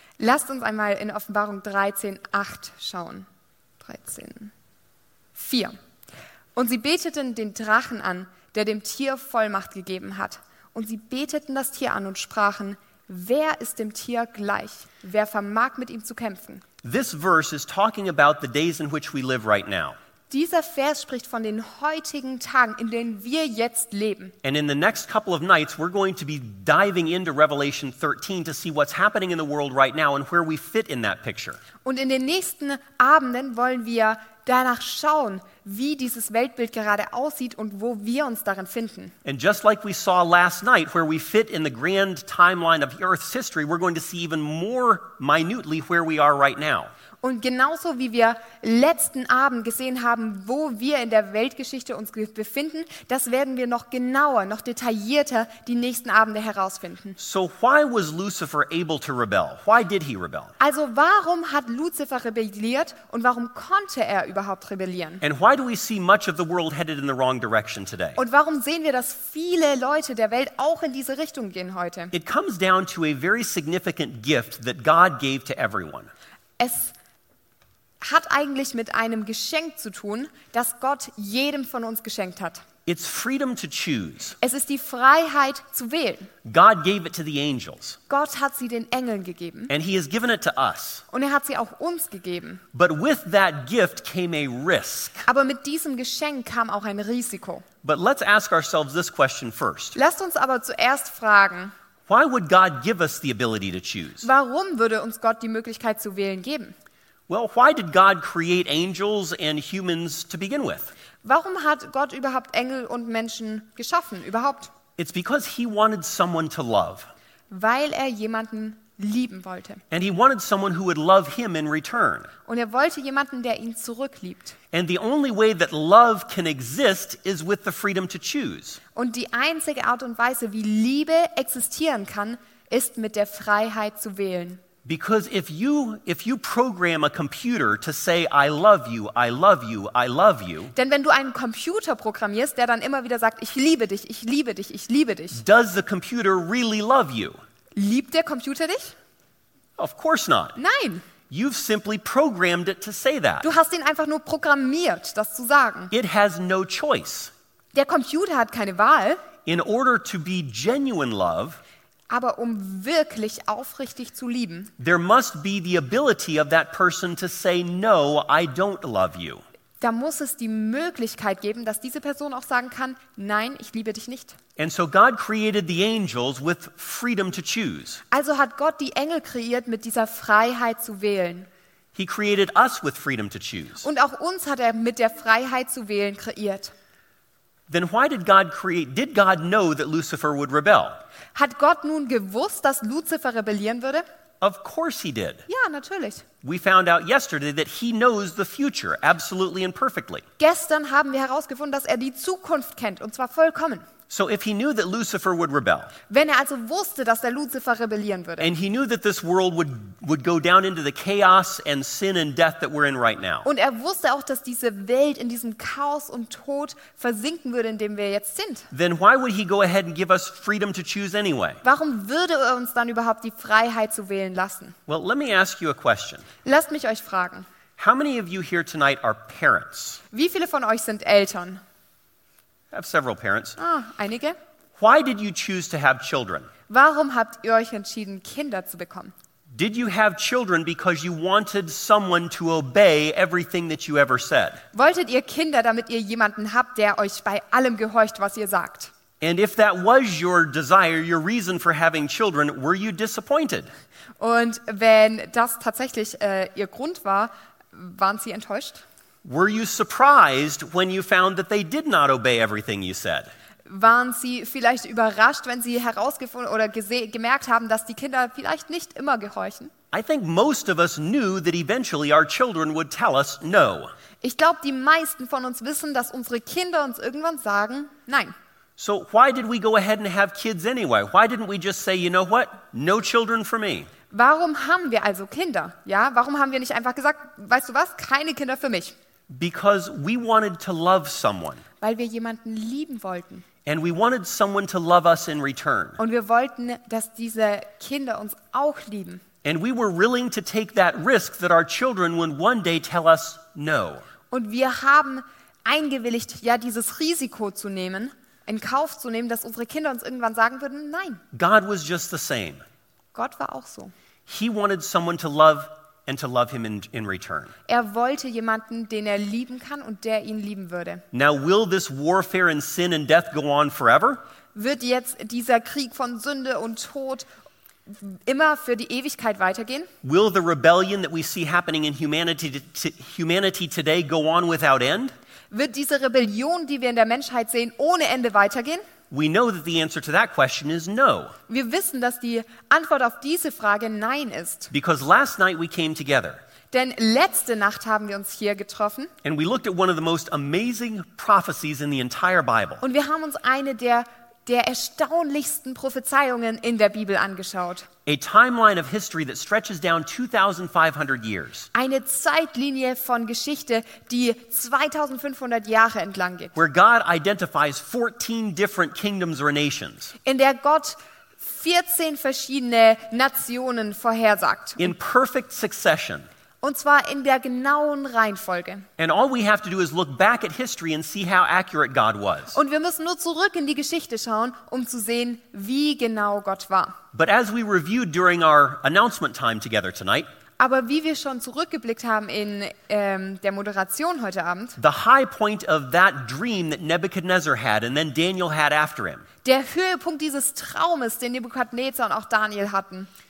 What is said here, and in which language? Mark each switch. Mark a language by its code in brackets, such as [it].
[de] Lasst uns einmal in Offenbarung 13:8 schauen. 13:4. Und sie beteten den Drachen an, der dem Tier Vollmacht gegeben hat. Und sie beteten das Tier an und sprachen: Wer ist dem Tier gleich? Wer vermag mit ihm zu kämpfen? [en] This verse is talking about the days in which we live right now. [de] Dieser Vers spricht von den heutigen Tagen, in denen wir jetzt leben. [en] And in the next couple of nights, we're going to be diving into Revelation 13 to see what's happening in the world right now and where we fit in that picture. [de] Und in den nächsten Abenden wollen wir danach schauen, wie dieses Weltbild gerade aussieht und wo wir uns darin finden. [en] And just like we saw last night, where we fit in the grand timeline of Earth's history, we're going to see even more minutely where we are right now. [de] Und genauso wie wir letzten Abend gesehen haben, wo wir in der Weltgeschichte uns befinden, das werden wir noch genauer, noch detaillierter die nächsten Abende herausfinden. [en] So why was Lucifer able to rebel? Why did he rebel? [de] Also warum hat Lucifer rebelliert und warum konnte er überhaupt rebellieren? [en] And why do we see much of the world headed in the wrong direction today? [de] Und warum sehen wir, dass viele Leute der Welt auch in diese Richtung gehen heute? [en] It comes down to a very significant gift that God gave to everyone. [de] Es hat eigentlich mit einem Geschenk zu tun, das Gott jedem von uns geschenkt hat. [en] It's freedom to choose. [de] Es ist die Freiheit zu wählen. [en] God gave it to the angels. [de] Gott hat sie den Engeln gegeben. [en] And he has given it to us. [de] Und er hat sie auch uns gegeben. [en] But with that gift came a risk. [de] Aber mit diesem Geschenk kam auch ein Risiko. [en] But let's ask ourselves this question first. [de] Lasst uns aber zuerst fragen, [en] why would God give us the ability to choose? [de] Warum würde uns Gott die Möglichkeit zu wählen geben? [en] Well, why did God create angels and humans to begin with? [de] Warum hat Gott überhaupt Engel und Menschen geschaffen überhaupt? [en] It's because he wanted someone to love. [de] Weil er jemanden lieben wollte. [en] And he wanted someone who would love him in return. [de] Und er wollte jemanden, der ihn zurückliebt. [en] And the only way that love can exist is with the freedom to choose. [de] Und die einzige Art und Weise, wie Liebe existieren kann, ist mit der Freiheit zu wählen. [en] Because if you program a computer to say I love you, I love you, I love you. [de] Denn wenn du einen Computer programmierst, der dann immer wieder sagt, ich liebe dich, ich liebe dich, ich liebe dich. [en] Does the computer really love you? [de] Liebt der Computer dich? [en] Of course not. [de] Nein. [en] You've simply programmed it to say that. [de] Du hast ihn einfach nur programmiert, das zu sagen. [en] It has no choice. [de] Der Computer hat keine Wahl. [en] In order to be genuine love, [de] aber um wirklich aufrichtig zu lieben, [en] there must be the ability of that person to say no, I don't love you. [de] Da muss es die Möglichkeit geben, dass diese Person auch sagen kann, nein, ich liebe dich nicht. [en] And so God created the angels with freedom to choose. [de] Also hat Gott die Engel kreiert mit dieser Freiheit zu wählen. [en] He created us with freedom to choose. [de] Und auch uns hat er mit der Freiheit zu wählen kreiert. [en] Then why did God create? Did God know that Lucifer would rebel? [de] Hat Gott nun gewusst, dass Lucifer rebellieren würde? [en] Of course he did. [de] Ja, natürlich. [en] We found out yesterday that he knows the future absolutely and perfectly. [de] Gestern haben wir herausgefunden, dass er die Zukunft kennt, und zwar vollkommen. [en] So if he knew that Lucifer would rebel. [de] Wenn er also wusste, dass der Lucifer rebellieren würde. [en] And he knew that this world would go down into the chaos and sin and death that we're in right now. [de] Und er wusste auch, dass diese Welt in diesem Chaos und Tod versinken würde, in dem wir jetzt sind. [en] Then why would he go ahead and give us freedom to choose anyway? [de] Warum würde er uns dann überhaupt die Freiheit zu wählen lassen? [en] Well, let me ask you a question. [de] Lasst mich euch fragen. [en] How many of you here tonight are parents? [de] Wie viele von euch sind Eltern? [en] I have several parents. [de] Ah, einige. [en] Why did you choose to have children? [de] Warum habt ihr euch entschieden, Kinder zu bekommen? [en] Did you have children because you wanted someone to obey everything that you ever said? [de] Wolltet ihr Kinder, damit ihr jemanden habt, der euch bei allem gehorcht, was ihr sagt? [en] And if that was your desire, your reason for having children, were you disappointed? [de] Und wenn das tatsächlich ihr Grund war, waren sie enttäuscht? [en] Were you surprised when you found that they did not obey everything you said? [de] Waren Sie vielleicht überrascht, wenn Sie herausgefunden oder gemerkt haben, dass die Kinder vielleicht nicht immer gehorchen? [en] I think most of us knew that eventually our children would tell us no. [de] Ich glaube, die meisten von uns wissen, dass unsere Kinder uns irgendwann sagen, nein. [en] So why did we go ahead and have kids anyway? Why didn't we just say, you know what? No children for me. [de] Warum haben wir also Kinder? Ja, warum haben wir nicht einfach gesagt, weißt du was, keine Kinder für mich? [en] Because we wanted to love someone. [de] Weil wir jemanden lieben wollten. [en] And we wanted someone to love us in return. [de] Und wir wollten, dass diese Kinder uns auch lieben. [en] And we were willing to take that risk that our children would one day tell us no. [de] Und wir haben eingewilligt, ja, dieses Risiko zu nehmen, in Kauf zu nehmen, dass unsere Kinder uns irgendwann sagen würden, nein. [en] God was just the same. [de] Gott war auch so. [en] He wanted someone to love and to love him in return. [de] Er wollte jemanden, den er lieben kann und der ihn lieben würde. [en] Now will this warfare and sin and death go on forever? [de] Wird jetzt dieser Krieg von Sünde und Tod immer für die Ewigkeit weitergehen? [en] Will the rebellion that we see happening in humanity today go on without end? [de] Wird diese Rebellion, die wir in der Menschheit sehen, ohne Ende weitergehen? [en] We know that the answer to that question is no. [de] Wir wissen, dass die Antwort auf diese Frage nein ist. [en] Because last night we came together. [de] Denn letzte Nacht haben wir uns hier getroffen. [en] And we looked at one of the most amazing prophecies in the entire Bible. [de] Und wir haben uns eine der erstaunlichsten Prophezeiungen in der Bibel angeschaut. [en] A timeline of history that stretches down 2500 years. [de] Eine Zeitlinie von Geschichte, die 2500 Jahre entlang geht. [en] Where God identifies 14 different kingdoms or nations. [de] In der Gott 14 verschiedene Nationen vorhersagt. [en] In perfect succession. [de] Und zwar in der genauen Reihenfolge. [en] And all we have to do is look back at history and see how accurate God was. [de] Und wir müssen nur zurück in die Geschichte schauen, um zu sehen, wie genau Gott war. [en] But as we reviewed during our announcement time together tonight, [de] aber wie wir schon zurückgeblickt haben in der Moderation heute Abend, [en] the high point of that dream that Nebuchadnezzar had and then Daniel had after him. [de] Der Höhepunkt dieses Traumes, den Nebukadnezar und auch Daniel hatten.